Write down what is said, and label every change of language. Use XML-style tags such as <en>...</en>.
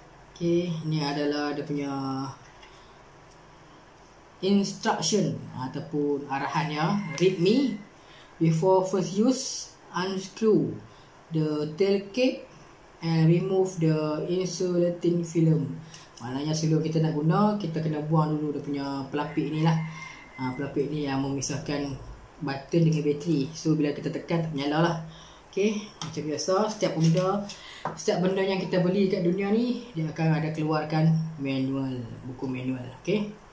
<ms>Okey, ini adalah dia punya instruction ataupun arahan ya.</ms> <en>Read me before first use, unscrew the tail cap and remove the insulating film.</en> <ms>Maknanya sebelum kita nak guna, kita kena buang dulu dia punya pelapik ni lah. Pelapik ni yang memisahkan button dengan bateri. So, bila kita tekan, tak menyala lah. Okay, macam biasa, setiap benda yang kita beli kat dunia ni, dia akan ada keluarkan manual, buku manual. Okay.</ms>